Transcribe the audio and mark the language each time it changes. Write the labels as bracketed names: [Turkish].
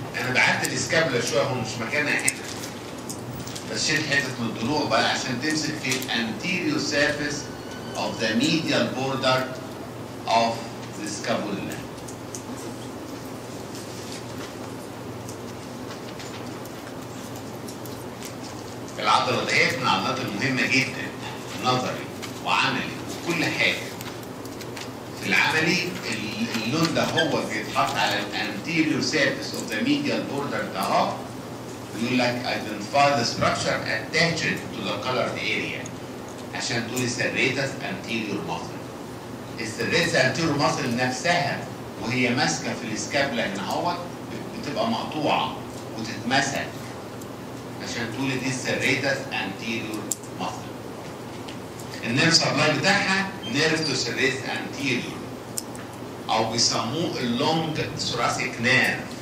[Arabic] أنا بعت الإسكابلا شوية، هو مش مكانها هنا، بس شيل حتة من الضلوع بقى عشان تمسك في [English] anterior surface of the medial border of the scapula. [Arabic] العضلة دهيت من العضلات المهمة جدا نظري وعملي وكل حاجة. في العملي اللون ده هو بيتحط على الـ [English] anterior surface of the medial border [Arabic] ده، اهو بيقول لك [English] identify the structure attached to the colored area [Arabic] عشان تقول serratus anterior muscle. serratus anterior muscle نفسها وهي ماسكة في الاسكابلا هنا اهو بتبقى مقطوعة وتتمسك، عشان تقول دي serratus anterior muscle. النيرف سبلاي بتاعها نيرف تو serratus anterior او بيسموه اللونج ثوراسيك نيرف.